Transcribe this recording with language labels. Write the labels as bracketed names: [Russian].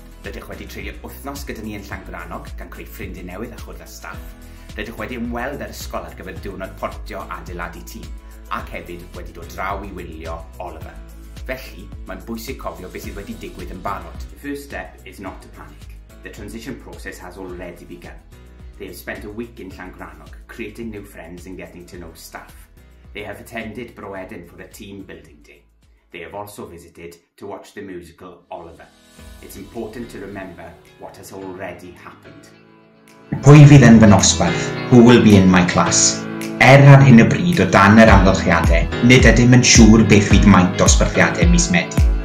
[Welsh] Rydych wedi treulio wythnos gyda ni yn Llangrannog gan creu ffrindiau newydd a chwrdd â staff. Rydych wedi ymweld â'r ysgol ar gyfer diwrnod portio a adeiladu tîm, ac hefyd wedi dod draw i wylio Oliver. Felly, mae'n bwysig cofio beth sydd wedi digwydd yn barod. [English] The first step is not to panic. The transition process has already begun. They have spent a week in Llangrannog, creating new friends and getting to know staff. They have attended Bro Edern for the team building day. They have also visited to watch the musical Oliver. It's important to remember what has already happened. [Welsh] Pwy fydd yn fy nosbarth? [English] Who will be in my class? [Welsh] Ar hyn y bryd o dan yr amgylchiadau, nid ydym yn siŵr beth fydd maint dosbarthiadau mis Medi.